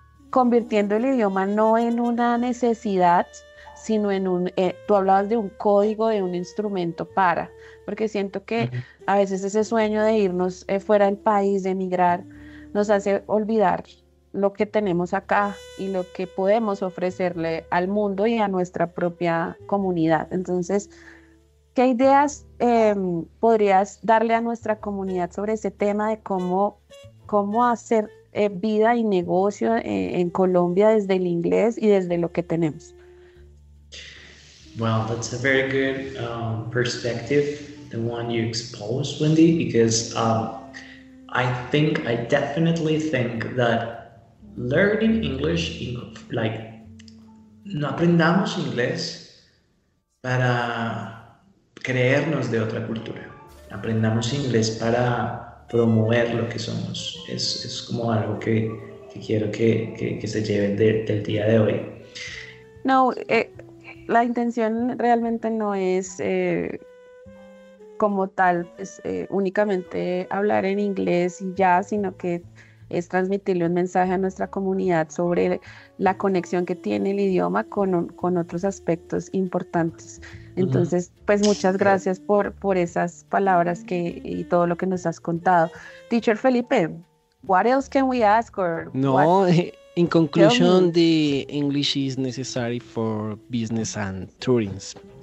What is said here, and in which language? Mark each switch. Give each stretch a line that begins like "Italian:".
Spanish: convirtiendo el idioma no en una necesidad, sino en un, tú hablabas de un código, de un instrumento para, porque siento que a veces ese sueño de irnos fuera del país, de emigrar, nos hace olvidar lo que tenemos acá y lo que podemos ofrecerle al mundo y a nuestra propia comunidad. Entonces, ¿qué ideas podrías darle a nuestra comunidad sobre ese tema de cómo hacer vida y negocio en Colombia desde el inglés y desde lo que tenemos?
English: Well, that's a very good perspective, the one you exposed, Wendy, because I definitely think that learning English,
Spanish: no aprendamos inglés para creernos de otra cultura. Aprendamos inglés para promover lo que somos. Es como algo que quiero que se lleven del día de hoy. No, la intención realmente no es como tal, pues, únicamente hablar en inglés y ya, sino que es transmitirle un mensaje a nuestra comunidad sobre la conexión que tiene el idioma con otros aspectos importantes. Entonces, pues muchas gracias por esas palabras y todo lo que nos has contado.
English: Teacher Felipe, what else can we ask? In conclusion, the English is necessary for business and tourings.